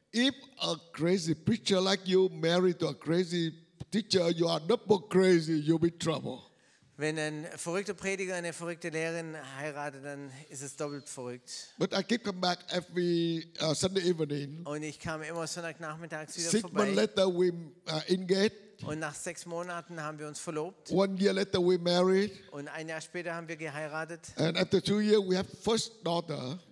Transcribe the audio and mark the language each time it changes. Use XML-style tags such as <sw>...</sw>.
<en>If a crazy preacher like you married to a crazy teacher, you are double crazy, you'll be trouble.</en> <de>Wenn ein verrückter Prediger eine verrückte Lehrerin heiratet, dann ist es doppelt verrückt.</de> <en>But I keep coming back every Sunday evening.</en> <de>Und ich kam immer Sonntagnachmittags wieder vorbei.</de> <en>6 months later we engaged.</en> <de>Und nach 6 Monaten haben wir uns verlobt.</de> <en>1 year later we married.</en> <de>Und ein Jahr später haben wir geheiratet.</de> <en>And after 2 years we have first daughter.</en>